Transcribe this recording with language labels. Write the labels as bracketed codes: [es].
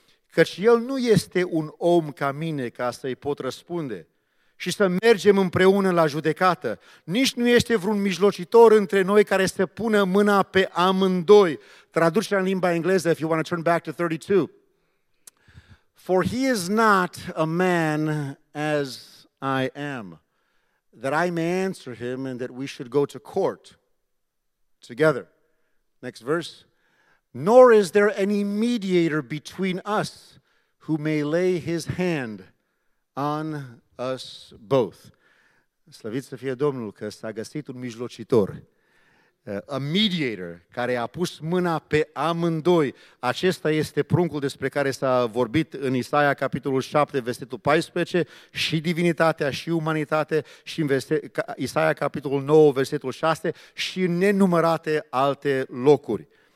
[ro] Căci el nu este un om ca mine ca să-i pot răspunde și să mergem împreună la judecată. Nici nu este vreun mijlocitor între noi care să pună mâna pe amândoi. Traducerea în limba engleză, [en] if you want to turn back to 32. For he is not a man as I am, that I may answer him and that we should go to court together. Next verse. Nor is there any mediator between us who may lay his hand on us both. [ro] Slăvit să fie Domnul că s-a găsit un mijlocitor, [en] a mediator, [ro] care a pus mâna pe amândoi. Acesta este pruncul despre care s-a vorbit în Isaia, capitolul 7, versetul 14, și divinitatea și umanitate, și în Isaia, capitolul 9, versetul 6, și în nenumărate alte locuri.